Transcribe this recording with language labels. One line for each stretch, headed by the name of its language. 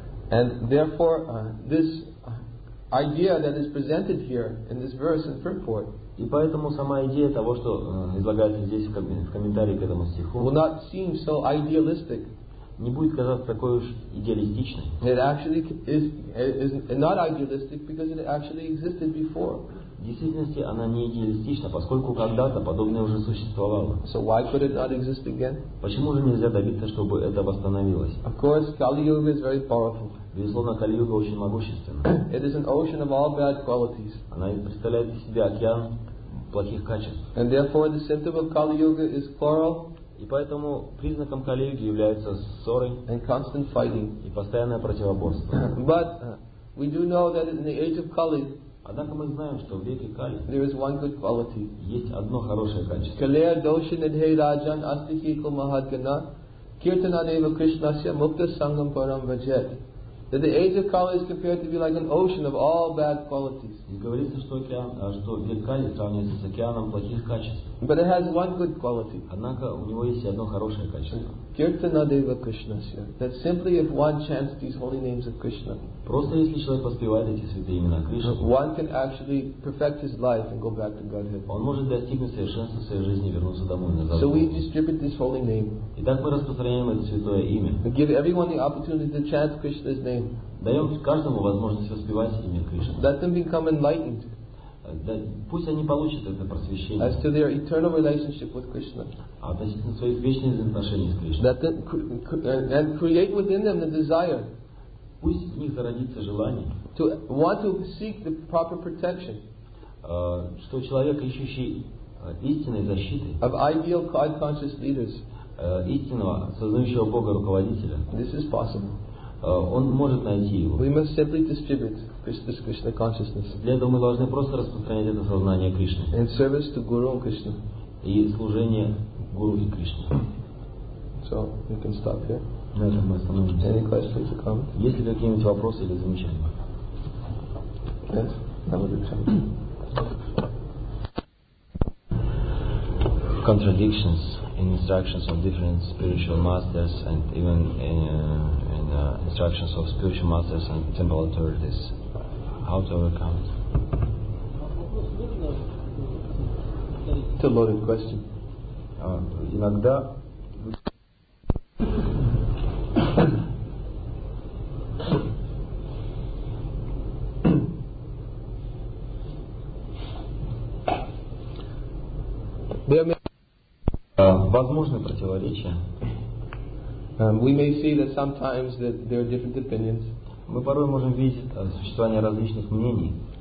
English: And therefore, this idea that is presented here in this verse and purport.
Russian: И поэтому сама идея того, что излагается здесь в комментарии к этому стиху,
English: will not seem so idealistic.
Russian: Не будет казаться такой уж идеалистичной.
English: It actually is not idealistic because it actually existed before.
Russian: В действительности она не идеалистична, поскольку когда-то подобное уже существовало.
English: So why could it not exist again?
Russian: Почему же нельзя добиться, чтобы это восстановилось?
English: Of course, Kali-Yuga is very powerful.
Russian: Безусловно, Кали-Юга очень могущественна.
English: It is an ocean of all bad qualities.
Russian: Она представляет из себя океан плохих качеств.
English: And therefore the symptom of Kali-Yuga is quarrel.
Russian: И поэтому признаком Кали-Юги являются ссоры
English: and constant fighting.
Russian: И постоянное противоборство.
English: But we do know that in the age of Kali,
Russian: однако мы знаем, что в веке Кали
English: there is one good quality.
Russian: Есть одно хорошее качество.
Sanskrit: Калея доши нидхей раджан астихи ку махатгана киртана дева кришнасья мукта сангам парам ваджет.
English: That the age of Kali is compared to be like an ocean of all bad qualities.
Russian: И говорится, что океан, что век Кали сравнивается с океаном плохих качеств.
English: But it has one good quality.
Russian: Однако у него есть одно хорошее качество.
Sanskrit: Kirtana Deva Krishnasya.
English: That simply if one chants these holy names of Krishna.
Russian: Просто если человек воспевает эти святые имена Кришны.
English: One can actually perfect his life and go back to Godhead.
Russian: Он может достигнуть совершенства своей жизни и вернуться домой назад.
English: So we distribute this holy name.
Russian: Итак, мы распространяем это святое имя.
English: We give everyone the opportunity to chant Krishna's name.
Russian: Даем каждому возможность воспевать имя Кришны.
English: Let them become enlightened.
Russian: Да, пусть они получат это просвещение.
English: As to their eternal relationship with Krishna.
Russian: А относительно своих вечных взаимоотношений с Кришной.
English: That and create within them the desire.
Russian: Пусть в них зародится желание.
English: To want to seek the proper protection.
Russian: Что человек, ищущий истинной защиты.
English: Of ideal God-conscious leaders.
Russian: Истинного, сознающего Бога руководителя.
English: This is possible.
Russian: Он может найти его.
English: We must simply distribute Krishna's Krishna consciousness.
Russian: Для этого мы должны просто распространять это сознание Кришны.
English: In service to Guru and Krishna.
Russian: И служение Гуру и Кришне.
English: So we can stop here.
Russian: На этом мы остановимся.
English: Any questions or comments?
Russian: Есть ли какие-нибудь вопросы или замечания?
English: Yes, that would be something. Contradictions in instructions of different spiritual masters and even in instructions of spiritual masters and temple authorities. How to overcome it? It's a loaded question.
Russian: Иногда возможны противоречия.
English: We may see that sometimes that there are different opinions.
Russian: Мы порой можем видеть существование различных мнений.